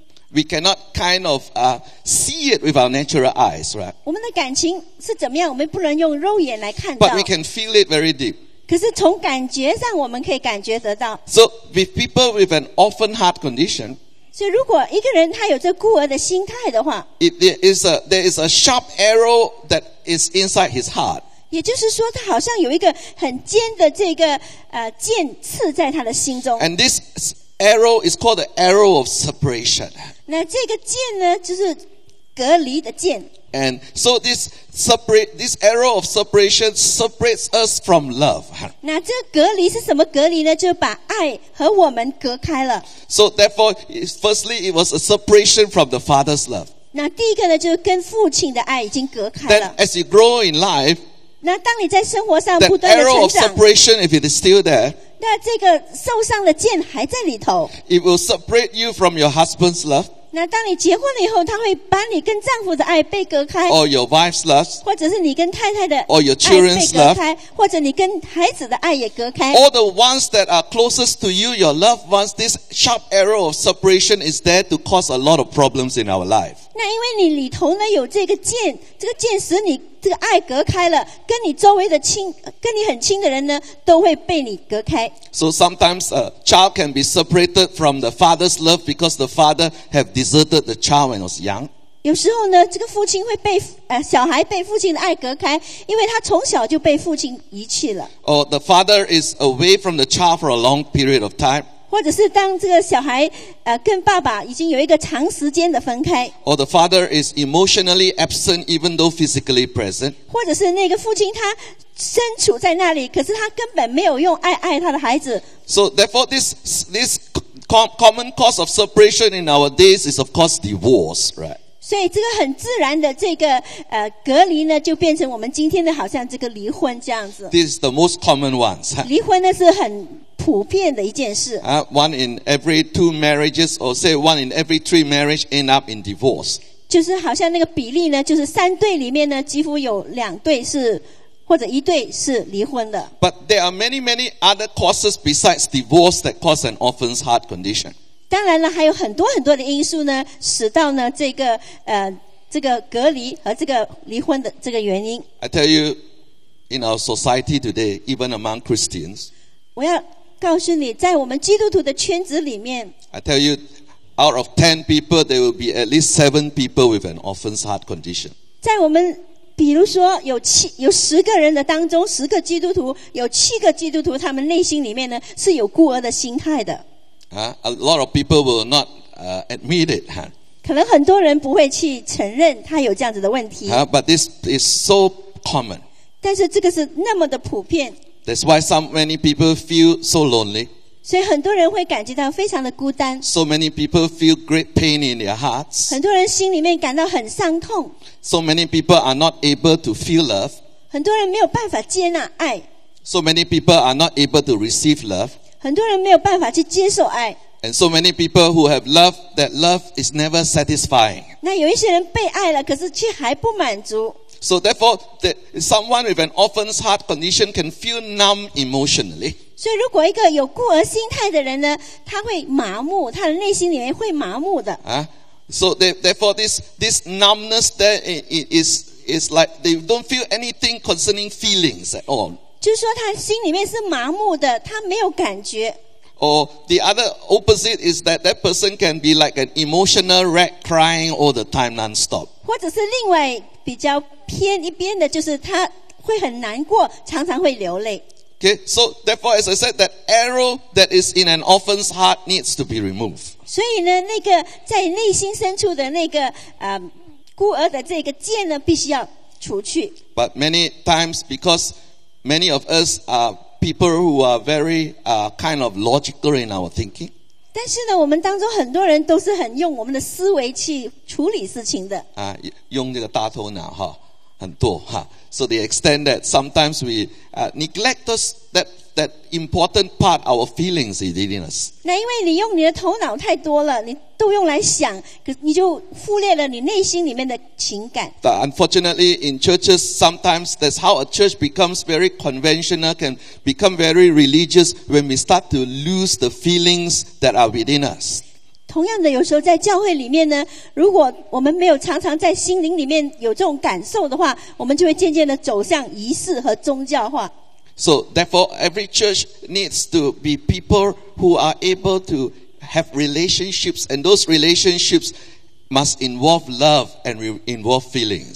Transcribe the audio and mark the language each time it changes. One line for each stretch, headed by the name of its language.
English: We cannot kind of see it with our natural eyes, right?
Chinese: 我们的感情是怎么样？我们不能用肉眼来看到。
English: But we can feel it very deep.
Chinese: 可是从感觉上，我们可以感觉得到。
English: So with people with an orphan heart condition.
Chinese: 所以如果一个人他有这孤儿的心态的话
English: ，there is a sharp arrow that is inside his heart.
Chinese: 也就是说，他好像有一个很尖的这个剑刺在他的心中。
English: And this arrow is called the arrow of separation.
Chinese: 那这个剑呢，就是隔离的剑。
English: And so this arrow of separation separates us from love.
Chinese: 那这隔离是什么隔离呢？就把爱和我们隔开了。
English: So therefore, firstly, it was a separation from the Father's love.
Chinese: 那第一个呢，就是跟父亲的爱已经隔开了。
English: Then as you grow in life,
Chinese: 那当你在生活上不断的成长
English: that arrow of separation, if it is still there,
Chinese: 那这个受伤的剑还在里头。
English: It will separate you from your husband's love.
Chinese: 那当你结婚了以后，他会把你跟丈夫的爱被隔开。
English: Or your wife's love.
Chinese: 或者是你跟太太的爱被隔开。
English: Or your children's love.
Chinese: 或者你跟孩子的爱也隔开。
English: All the ones that are closest to you, your loved ones, this sharp arrow of separation is there to cause a lot of problems in our life.
Chinese: 那因为你里头呢有这个剑，这个剑使你这个爱隔开了，跟你周围的亲，跟你很亲的人呢，都会被你隔开。
English: So sometimes a child can be separated from the father's love because the father have deserted the child when it was young.
Chinese: 有时候呢，这个父亲会被小孩被父亲的爱隔开，因为他从小就被父亲遗弃了。
English: Or the father is away from the child for a long period of time.
Chinese: 或者是当这个小孩跟爸爸已经有一个长时间的分开。
English: Or the father is emotionally absent even though physically present.
Chinese: 或者是那个父亲他身处在那里，可是他根本没有用爱爱他的孩子。
English: So therefore this common cause of separation in our days is of course divorce, right?
Chinese: 所以这个很自然的这个隔离呢，就变成我们今天的好像这个离婚这样子。
English: This is the most common ones.
Chinese: 离婚呢是很普遍的一件事。
English: One in every two marriages, or say one in every three marriage end up in divorce.
Chinese: 就是好像那个比例呢，就是三对里面呢，几乎有两对是或者一对是离婚的。
English: But there are many, many other causes besides divorce that cause an orphan's heart condition.
Chinese: 当然了，还有很多很多的因素呢，使到呢这个隔离和这个离婚的这个原因。
English: I tell you, in our society today, even among Christians.
Chinese: 我要告诉你，在我们基督徒的圈子里面
English: ，I tell you, out of 10 people, there will be at least 7 people with an orphan's heart condition.
Chinese: 在我们，比如说有十个人的当中，十个基督徒，有七个基督徒，他们内心里面呢是有孤儿的心态的。
English: A lot of people will not admit it, huh?
Chinese: 可能很多人不会去承认他有这样子的问题。
English: But this is so common.
Chinese: 但是这个是那么的普遍。
English: That's why so many people feel so lonely.
Chinese: 所以很多人会感觉到非常的孤单。
English: So many people feel great pain in their hearts.
Chinese: 很多人心里面感到很伤痛。
English: So many people are not able to feel love.
Chinese: 很多人没有办法接纳爱。
English: So many people are not able to receive love.
Chinese: 很多人没有办法去接受爱。
English: And so many people who have love, that love is never satisfying.
Chinese: 那有一些人被爱了，可是却还不满足。
English: So therefore, someone with an orphan's heart condition can feel numb emotionally.
Chinese: 所以如果一个有孤儿心态的人呢，他会麻木，他的内心里面会麻木的。
English: So therefore, this numbness there is like they don't feel anything concerning feelings at all.
Chinese: 就是说他心里面是麻木的，他没有感觉。
English: Or the other opposite is that that person can be like an emotional wreck crying all the time non-stop.
Chinese: 或者是另外比较偏一边的，就是他会很难过，常常会流泪。
English: Okay, so therefore, as I said, that arrow that is in an orphan's heart needs to be removed.
Chinese: 所以呢，那个在内心深处的那个孤儿的这个箭呢，必须要除去。
English: But many times, because many of us are people who are very kind of logical in our thinking.
Chinese: 但是呢，我们当中很多人都是很用我们的思维去处理事情的。啊，用这个大头脑哈。很多哈
English: ，so the extent that sometimes we neglect us that important part, our feelings within us.
Chinese: 那因为你用你的头脑太多了，你都用来想，你就忽略了你内心里面的情感。
English: But unfortunately, in churches, sometimes that's how a church becomes very conventional, can become very religious when we start to lose the feelings that are within us.
Chinese: 同样的，有时候在教会里面呢，如果我们没有常常在心灵里面有这种感受的话，我们就会渐渐的走向仪式和宗教化。
English: So therefore, every church needs to be people who are able to have relationships, and those relationships must involve love and involve feelings.